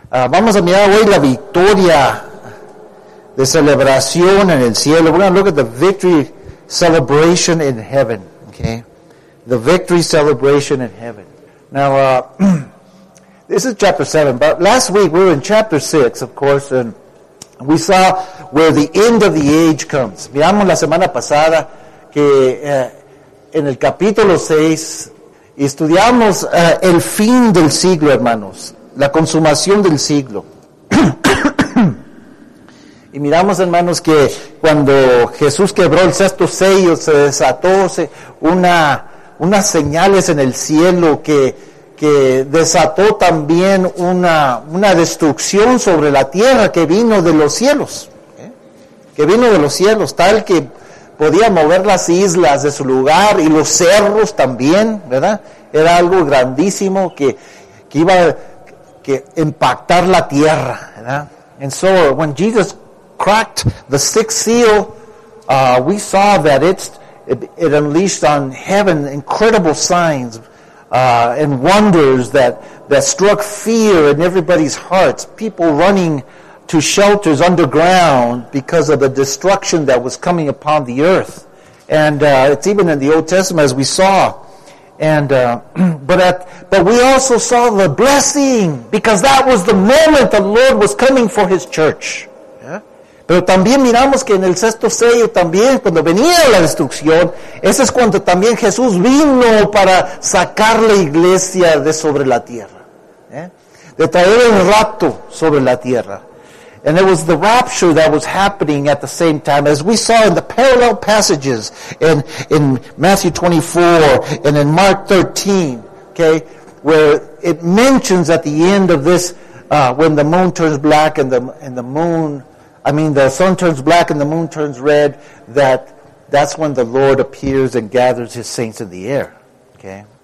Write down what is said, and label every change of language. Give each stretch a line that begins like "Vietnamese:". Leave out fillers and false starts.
Spanish: Vamos a mirar hoy la victoria de celebración en el cielo.
English: We're going to look at the victory celebration in heaven. Okay, the victory celebration in heaven. Now, this is chapter 7, but last week we were in chapter 6, of course, and we saw where the end of the age comes.
Spanish: Miramos la semana pasada que en el capítulo 6 estudiamos el fin del siglo, hermanos. La consumación del siglo. Y miramos, hermanos, que cuando Jesús quebró el sexto sello, se desató unas señales en el cielo que desató también una destrucción sobre la tierra que vino de los cielos. Que vino de los cielos, tal que podía mover las islas de su lugar y los cerros también, ¿verdad? Era algo grandísimo que iba que impactar la tierra, ¿verdad?
English: And so when Jesus cracked the sixth seal, we saw that it unleashed on heaven incredible signs and wonders that struck fear in everybody's hearts. People running to shelters underground because of the destruction that was coming upon the earth. And it's even in the Old Testament as we saw. And but we also saw the blessing, because that was the moment the Lord was coming for His church. Yeah.
Spanish: Pero también miramos que en el sexto sello también, cuando venía la destrucción, ese es cuando también Jesús vino para sacar la iglesia de sobre la tierra. Yeah. De traer el rapto sobre la tierra.
English: And it was the rapture that was happening at the same time, as we saw in the parallel passages in Matthew 24 and in Mark 13, okay, where it mentions at the end of this, when the moon turns black the sun turns black and the moon turns red, that's when the Lord appears and gathers His saints in the air, okay?